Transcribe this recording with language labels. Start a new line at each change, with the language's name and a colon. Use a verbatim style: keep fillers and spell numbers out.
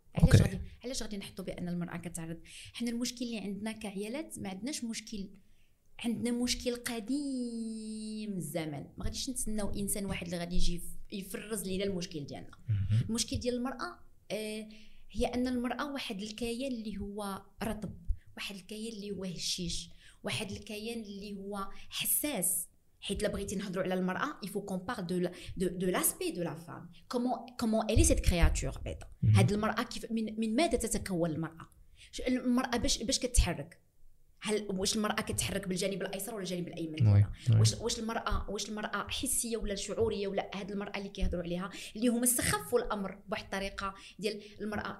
Arabic: علاش غادي علاش غادي نحطوا بان المراه كتعرض؟ حنا المشكل اللي عندنا كعيالات ما عندناش مشكل، عندنا مشكل قديم الزمن. ما غاديش نتسناو انسان واحد اللي غادي يجي يفرز لينا المشكل ديالنا. المشكل ديال المراه آه هي ان المراه واحد الكيان اللي هو رطب، واحد الكيان اللي هو هشيش، واحد الكيان اللي هو حساس. حيت لا بغيتي نهضروا على المراه
French: il faut qu'on parle de de de l'aspect de la femme comment comment elle est cette créature bête.
Arabic: هاد المراه كيف من, من ماذا تتكون المراه؟ المراه باش باش كتتحرك؟ هل واش المراه كتتحرك بالجانب الايسر ولا الجانب الايمن؟ واش واش المراه واش المراه حسيه ولا شعوريه ولا هاد المراه اللي كيهضروا عليها اللي هما سخفوا الامر بواحد الطريقه ديال المراه.